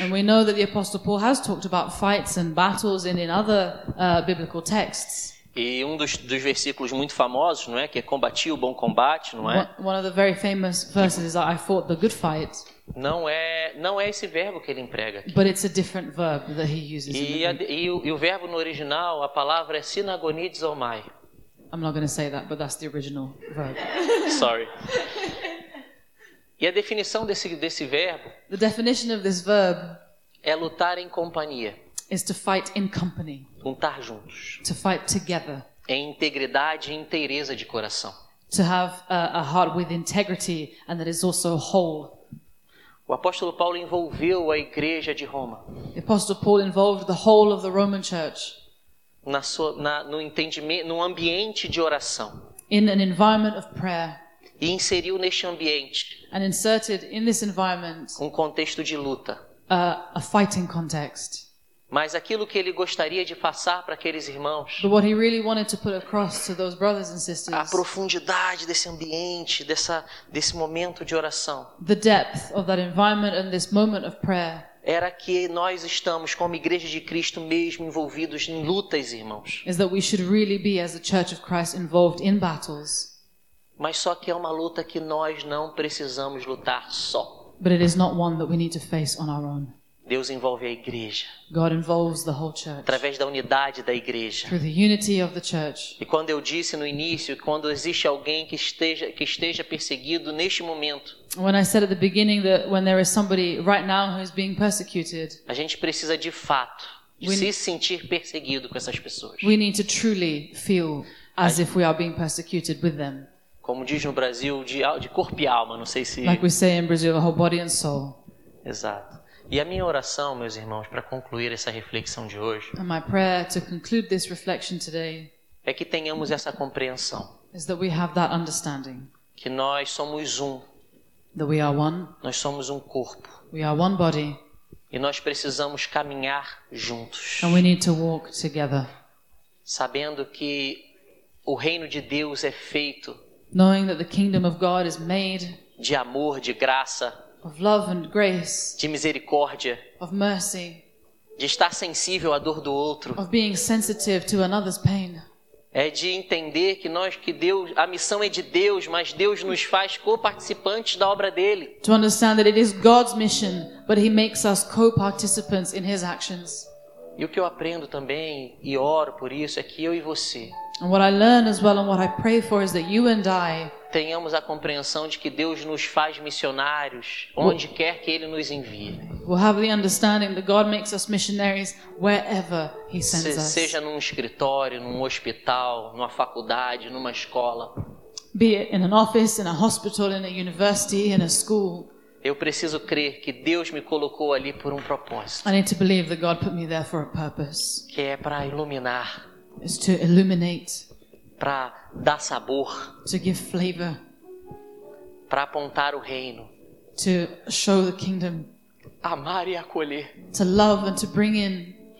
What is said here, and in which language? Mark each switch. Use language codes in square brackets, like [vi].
[en] And we know that the apostle Paul has talked about fights and battles in other biblical texts. [pt] E um dos versículos muito famosos, não é, que é combati o bom combate, não é? [en] One of the very famous verses is that I fought the good fight. [pt] Não é esse verbo que ele emprega aqui. [en] But it's a different verb that he uses. [pt] E o verbo no original, a palavra é synagonizomai. [en] I'm not going to say that, but that's the original verb. Sorry. [pt] E a definição desse verbo? [en] The definition of this verb [pt] é lutar em companhia. [en] Is to fight in company. [pt] Lutar juntos. [en] To fight together. [pt] Em integridade e inteireza de coração. [en] To have a heart with integrity and that is also whole. [pt] O apóstolo Paulo envolveu a igreja de Roma. [en] The apostle Paul involved the whole of the Roman church. [pt] No entendimento, no ambiente de oração. [en] In an environment of prayer. [pt] E inseriu neste ambiente. [en] And inserted in this environment. [pt] Um contexto de luta. [en] A fighting context. [pt] Mas aquilo que ele gostaria de passar para aqueles irmãos. [en] But what he really wanted to put across to those brothers and sisters. [pt] A profundidade desse ambiente, desse momento de oração. [en] The depth of that environment and this moment of prayer. [pt] Era que nós estamos como igreja de Cristo mesmo envolvidos em lutas, irmãos. [en] Is that we should really be as a church of Christ involved in battles. [pt] Mas só que é uma luta que nós não precisamos lutar só. [en] But it is not one that we need to face on our own. [pt] Deus envolve a igreja. [en] God involves the whole church. [pt] Através da unidade da igreja. [en] Through the unity of the church. [pt] E quando eu disse no início, quando existe alguém que esteja perseguido neste momento. [en] When I said at the beginning that when there is somebody right now who is being persecuted. [pt] A gente precisa de fato se sentir perseguido com essas pessoas. [en] We need to truly feel as if we are being persecuted with them. [pt] Como diz no Brasil, de corpo e alma, não sei se. [en] Like we say in Brazil, the whole body and soul. [pt] Exato. E a minha oração, meus irmãos, para concluir essa reflexão de hoje. [en] And my prayer to conclude this reflection today. [pt] É que tenhamos essa compreensão. [en] Is that we have that understanding. [pt] Que nós somos um. [en] That we are one. [pt] Nós somos um corpo. [en] We are one body. [pt] E nós precisamos caminhar juntos. [en] And we need to walk together. [pt] Sabendo que o reino de Deus é feito. [en] Knowing that the kingdom of God is made. [pt] De amor, de graça. [en] Of love and grace, [pt] de misericórdia, [en] of mercy, [pt] de estar sensível à dor do outro, [en] of being sensitive to another's pain. [pt] É de entender que Deus, a missão é de Deus, mas Deus nos faz co-participantes da obra dele. [en] To understand that it is God's mission, but he makes us co-participants in his actions. [pt] E o que eu aprendo também e oro por isso é que eu e você. [en] And what I learn as well and what I pray for is that you and I [pt] tenhamos a compreensão de que Deus nos faz missionários onde quer que Ele nos envie. [en] We'll have the understanding that God makes us missionaries wherever He sends us. [pt] Seja num escritório, num hospital, numa faculdade, numa escola. [en] Be it in an office, in a hospital, in a university, in a school. [pt] Eu preciso crer que Deus me colocou ali por um propósito. [en] I need to believe that God put me there for a purpose. [pt] Que é para iluminar. [en] Is to illuminate. [pt] Para dar sabor. [en] To give flavor. [pt] Para apontar o reino. [en] To show the kingdom. [pt] Amar e acolher. [en] To love and to bring in.